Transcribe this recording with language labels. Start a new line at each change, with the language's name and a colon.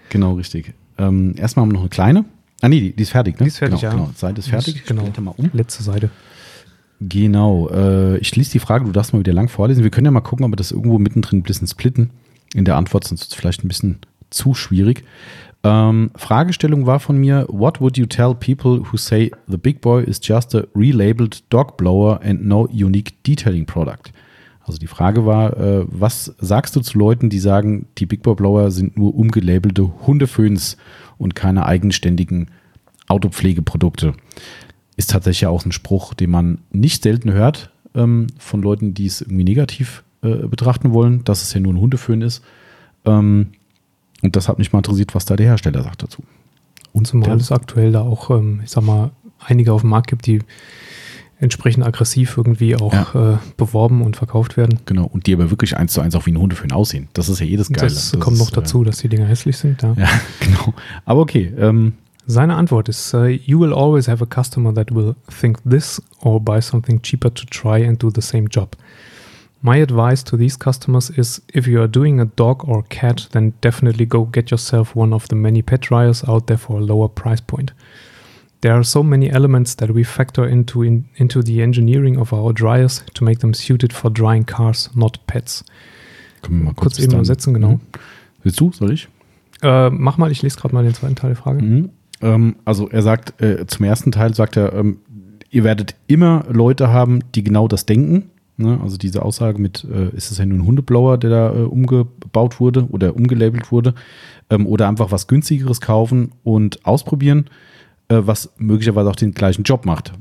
German: Genau, richtig. Erstmal haben wir noch eine kleine. Ah nee, die ist fertig, ne? Die ist fertig, genau. Seite ist fertig. Genau. Ich blätter mal um. Letzte Seite. Genau, ich lese die Frage, du darfst mal wieder lang vorlesen. Wir können ja mal gucken, ob wir das irgendwo mittendrin ein bisschen splitten in der Antwort, sonst ist es vielleicht ein bisschen zu schwierig.
English: Fragestellung war von mir, what would you tell people who say the big boy is just a relabeled dog blower and no unique detailing product?
German: Also die Frage war, was sagst du zu Leuten, die sagen, die Big Boy Blower sind nur umgelabelte Hundeföhns und keine eigenständigen Autopflegeprodukte? Ist tatsächlich auch ein Spruch, den man nicht selten hört von Leuten, die es irgendwie negativ betrachten wollen, dass es ja nur ein Hundeföhn ist. Und das hat mich mal interessiert, was da der Hersteller sagt dazu. Und zumal es aktuell da auch, ich sag mal, einige auf dem Markt gibt, die entsprechend aggressiv irgendwie auch beworben und verkauft werden. Genau, und die aber wirklich eins zu eins auch wie ein Hundeföhn aussehen. Das ist ja jedes Geile. Das kommt noch dazu, dass die Dinger hässlich sind. Ja, ja, genau. Aber okay,
English: seine Antwort ist, you will always have a customer that will think this or buy something cheaper to try and do the same job. My advice to these customers is, if you are doing a dog or cat, then definitely go get yourself one of the many pet dryers out there for a lower price point. There are so many elements that we factor into the engineering of our dryers to make them suited for drying cars, not pets.
German: Können wir mal kurz eben übersetzen, genau. Mhm. Willst du, soll ich? Mach mal, ich lese gerade mal den zweiten Teil der Frage. Mhm. Also er sagt, zum ersten Teil sagt er, ihr werdet immer Leute haben, die genau das denken, Ne? Also diese Aussage mit, ist es ja nur ein Hundeblower, der da umgebaut wurde oder umgelabelt wurde, oder einfach was Günstigeres kaufen und ausprobieren, was möglicherweise auch den gleichen Job macht.